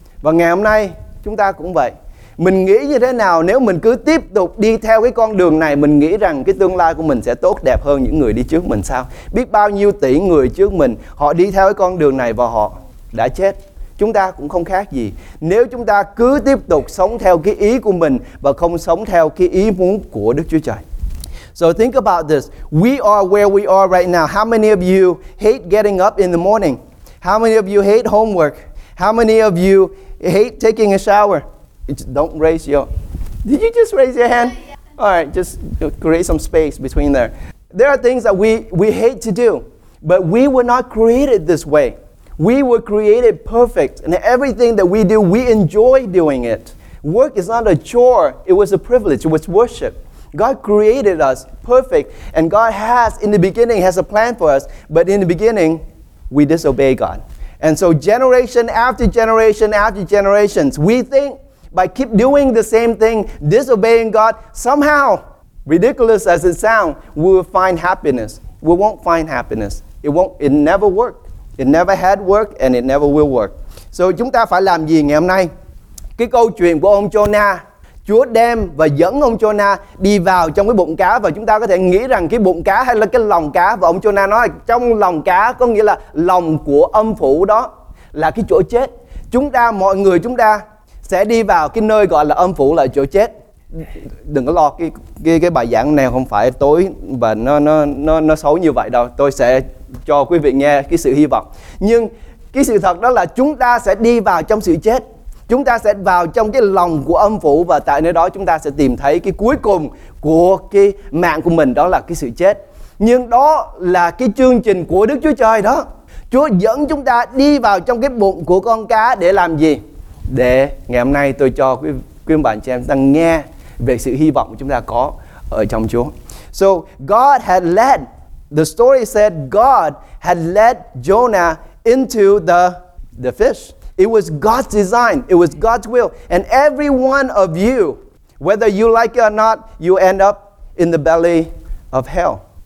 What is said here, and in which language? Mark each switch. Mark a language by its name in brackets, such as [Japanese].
[Vietnamese] Và ngày hôm nay chúng ta cũng vậy. Mình nghĩ như thế nào nếu mình cứ tiếp tục đi theo cái con đường này, mình nghĩ rằng cái tương lai của mình sẽ tốt đẹp hơn những người đi trước mình sao? Biết bao nhiêu tỷ người trước mình, họ đi theo cái con đường này và họ đã chết. Chúng ta cũng không khác gì. Nếu chúng ta cứ tiếp tục sống theo cái ý của mình và không sống theo cái ý muốn của Đức Chúa Trời. [English] So think about this. We are where we are right now. How many of you hate getting up in the morning? How many of you hate homework? How many of you hate taking a shower? Don't raise your... Did you just raise your hand? Yeah. All right, just create some space between there. There are things that we hate to do, but we were not created this way. We were created perfect, and everything that we do, we enjoy doing it. Work is not a chore. It was a privilege. It was worship. God created us perfect, and God has, in the beginning, has a plan for us, but in the beginning, we disobey God. And so generation after generation after generations, we think, by keep doing the same thing, disobeying God, somehow Ridiculous as it sounds, we will find happiness. We won't find happiness. It never worked. It never had worked and it never will work. [Vietnamese] So chúng ta phải làm gì ngày hôm nay? Cái câu chuyện của ông Jonah, Chúa đem và dẫn ông Jonah đi vào trong cái bụng cá, và chúng ta có thể nghĩ rằng cái bụng cá hay là cái lòng cá, và ông Jonah nói là trong lòng cá, có nghĩa là lòng của âm phủ đó là cái chỗ chết. Chúng ta, mọi người chúng ta sẽ đi vào cái nơi gọi là âm phủ, là chỗ chết. Đừng có lo, cái bài giảng này không phải tối và nó xấu như vậy đâu. Tôi sẽ cho quý vị nghe cái sự hy vọng. Nhưng cái sự thật đó là chúng ta sẽ đi vào trong sự chết. Chúng ta sẽ vào trong cái lòng của âm phủ, và tại nơi đó chúng ta sẽ tìm thấy cái cuối cùng của cái mạng của mình, đó là cái sự chết. Nhưng đó là cái chương trình của Đức Chúa Trời đó. Chúa dẫn chúng ta đi vào trong cái bụng của con cá để làm gì? Để ngày hôm nay tôi cho quý bạn chị em đang nghe về sự hy vọng chúng ta có ở trong Chúa. [English] So God had led, the story said God had led Jonah into the fish. It was God's design. It was God's will. And every one of you, whether you like it or not, you end up in the belly of hell.